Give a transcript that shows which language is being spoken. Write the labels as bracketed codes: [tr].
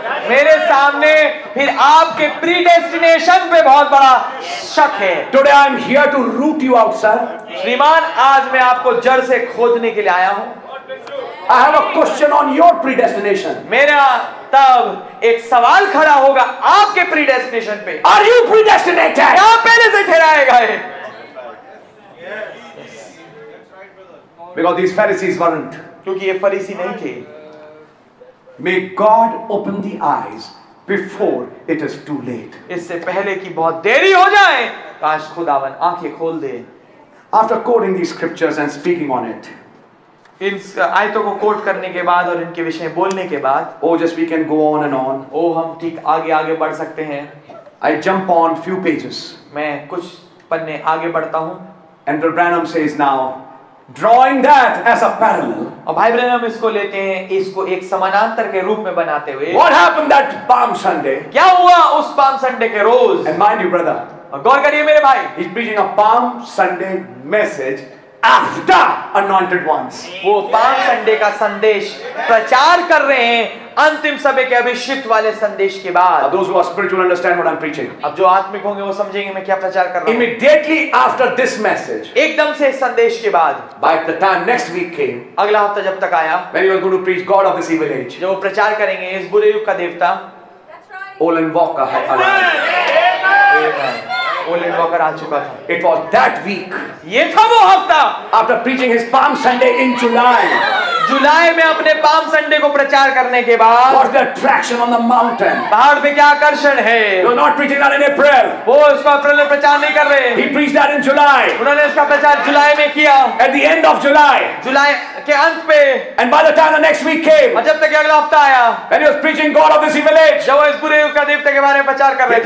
[hi] मेरे सामने फिर आपके प्रीडेस्टिनेशन पे बहुत बड़ा शक है [en] Today I'm here to root you out, sir. [hi] श्रीमान आज मैं आपको जड़ से खोदने के लिए आया हूँ [en] I have a question on your predestination. [hi] मेरा तब एक सवाल खड़ा होगा आपके प्रीडेस्टिनेशन पे [en] Are you predestinated? [hi] क्या पहले से ठहराए गए [en] Because these Pharisees weren't. [hi] क्योंकि ये फरीसी नहीं थे [en] May God open the eyes before it is too late. [hi] इससे पहले कि बहुत देरी हो जाए, काश खुदावन आंखें खोल दे. [en] After quoting these scriptures and speaking on it, [hi] इन आयतों को कोट करने के बाद और इनके विषय बोलने के बाद, [en] oh just we can go on and on. [hi] Oh हम ठीक आगे आगे बढ़ सकते हैं. [en] I jump on few pages. [hi] मैं कुछ पन्ने आगे बढ़ता हूँ. [en] And Brother Branham says now. Drawing that as a parallel. [hi] और भाई ब्रैनम इसको लेते हैं, इसको एक समानांतर के रूप में बनाते हुए. [en] What happened that Palm Sunday? [hi] क्या हुआ उस Palm Sunday के रोज? [en] And mind you, brother. [hi] और गौर करिए मेरे भाई. [en] He's preaching a Palm Sunday message after anointed ones. [hi] वो Palm Sunday का संदेश प्रचार कर रहे हैं अंतिम समय के अभिषित वाले संदेश के बाद. [en] Now those who are spiritual understand what I'm preaching. [hi] अब जो आत्मिक होंगे वो समझेंगे मैं क्या प्रचार कर रहा हूँ. [en] Immediately after this message. [hi] एकदम से इस संदेश के बाद. [en] By the time next week came. [hi] अगला हफ्ता जब तक आया. [en] When you are going to preach God of this evil age. [hi] जो प्रचार करेंगे इस बुरे युग का देवता. [en] Olin Walker had arrived. [hi] Olin Walker आ चुका था. [en] It was that week. [hi] ये था वो हफ्ता. [en] After preaching his Palm Sunday in July. [hi] जुलाई में अपने पाम संडे को प्रचार करने के बाद [en] What's the attraction on the mountain? [hi] पहाड़ पे क्या आकर्षण है? [en] You're not preaching that in April. [hi] वो उसका अप्रैल में प्रचार नहीं कर रहे [en] He preached that in July. [hi] उन्होंने इसका प्रचार जुलाई में किया [en] At the end of July. [hi] जुलाई के अंत पे [en] And by the time the next week came. [hi] और जब तक अगला हफ्ता आया [en] And he was preaching God of this evil age. [hi] जब वो इस बुरे युग का देवता के बारे में प्रचार कर रहे